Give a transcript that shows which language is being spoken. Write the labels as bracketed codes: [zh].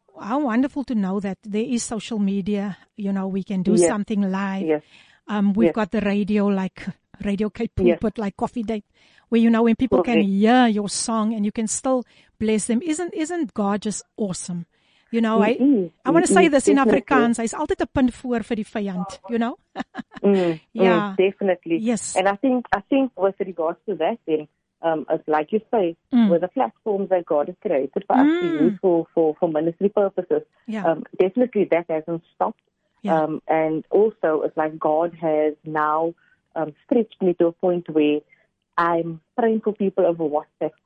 [en] How wonderful to know that there is social media. You know, we can do something live. Yes. We've got the radio, like Radio Cape Pulpit, like Coffee Date, where, you know, when people can hear your song and you can still bless them. Isn't God just awesome? You know, I want to say this in Afrikaans. [af] Hy is altyd 'n punt voor vir die vyand, [en] you know? Definitely. Yes. And I think with regards to that, then, as like you say, with the platforms that God has created for us to use for ministry purposes, definitely that hasn't stopped. Yeah. And also, it's like God has now stretched me to a point where I'm praying for people over WhatsApp.